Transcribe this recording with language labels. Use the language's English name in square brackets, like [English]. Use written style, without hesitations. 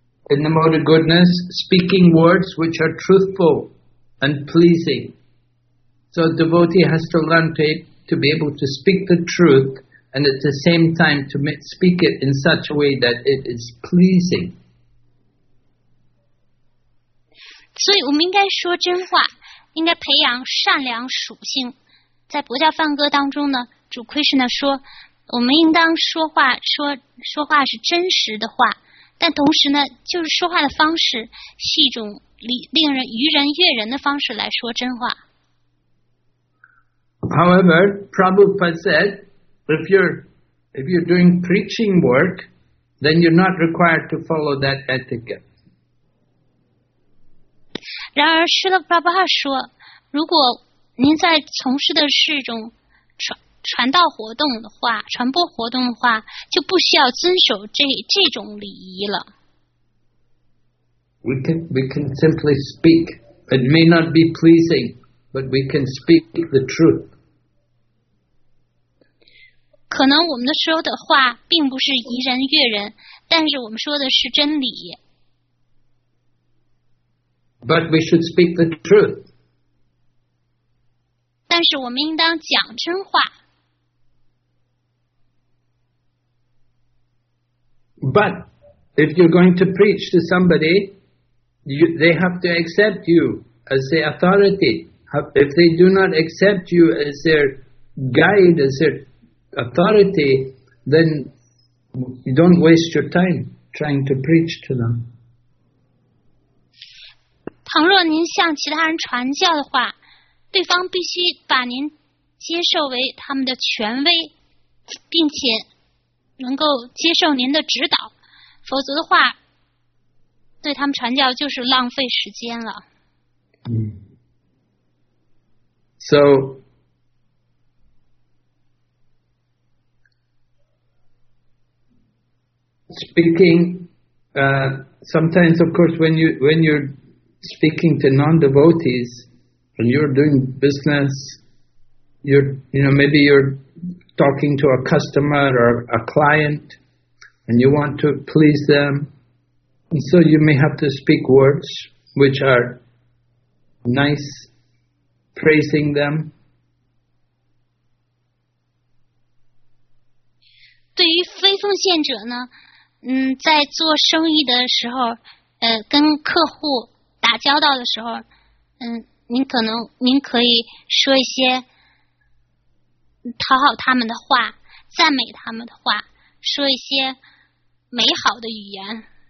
[English] in the mode of goodness, speaking words which are truthful and pleasing. So a devotee has to learn to be able to speak the truth and at the same time to speak it in such a way that it is pleasing. [Chinese] 所以我们应该说真话，应该培养善良属性。在佛教梵歌当中呢，主 Krishna 说，我们应当说话，说话是真实的话，但同时呢，就是说话的方式是一种令人愚人悦人的方式来说真话。 [English] However, Prabhupada said, if you're doing preaching work, then you're not required to follow that etiquette. [Chinese] 然而施勒巴巴哈说，如果您在从事的是一种 传道活动的话，传播活动的话，就不需要遵守 这种礼仪了。 [English] We can simply speak. It may not be pleasing, but we can speak the truth. [Chinese] 可能我们说的话并不是宜人悦人，但是我们说的是真理。 [English] But we should speak the truth. [Chinese] 但是我们应当讲真话。 [English] But if you're going to preach to somebody, they have to accept you as their authority. If they do not accept you as their guide, as their authority, then you don't waste your time trying to preach to them. [Chinese] 倘若您向其他人传教的话，对方必须把您接受为他们的权威，并且能够接受您的指导，否则的话，对他们传教就是浪费时间了。 [English] So, speaking, sometimes, of course, when you're speaking to non-devotees, when you're doing business, maybe you're talking to a customer or a client, and you want to please them, and so you may have to speak words which are nice, praising them. [Chinese] 对于非奉献者呢，在做生意的时候，跟客户打交道的时候，您可以说一些讨好他们的话，赞美他们的话，说一些美好的语言。